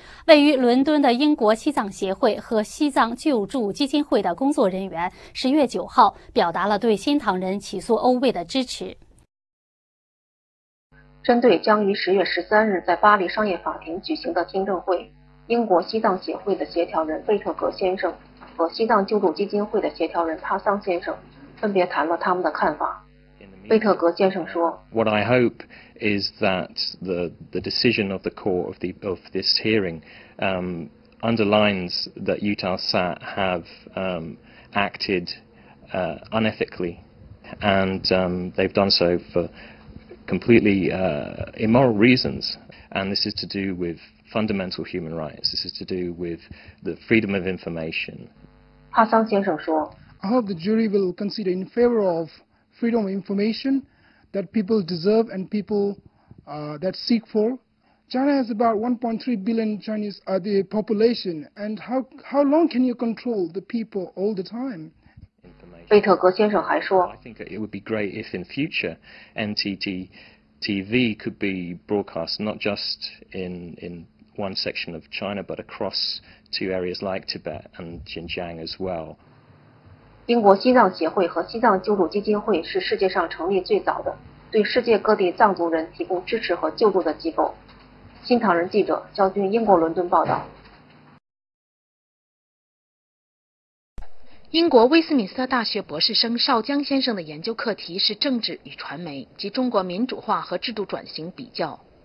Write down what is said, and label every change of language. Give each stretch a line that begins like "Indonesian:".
Chinese: 位于伦敦的英国西藏协会和西藏救助基金会的工作人员10月9号表达了对新唐人起诉欧卫的支持。针对将于10月13日在巴黎商业法庭举行的听证会，英国西藏协会的协调人费特格先生和西藏救助基金会的协调人帕桑先生分别谈了他们的看法。费特格先生说
English: What I hope is that the decision of the court of this hearing underlines that Eutelsat have acted unethically and they've done so forcompletely immoral reasons, and this is to do with fundamental human rights. This is to do with the freedom of information.
Chinese: 帕桑先生说
English: I hope the jury will consider in favor of freedom of information that people deserve and people that seek for. China has about 1.3 billion Chinese the population, and how long can you control the people all the time?
Chinese: 贝特格先生还说
English: I think it would be great if in future NTT TV could be broadcast not just in one section of China but across two areas like Tibet and Xinjiang as well.
Chinese: 英国西藏协会和西藏救助基金会是世界上成立最早的对世界各地藏族人提供支持和救助的机构。新唐人记者肖军，英国伦敦报道。英国威斯敏斯特大学博士生邵江先生的研究课题是政治与传媒及中国民主化和制度转型比较。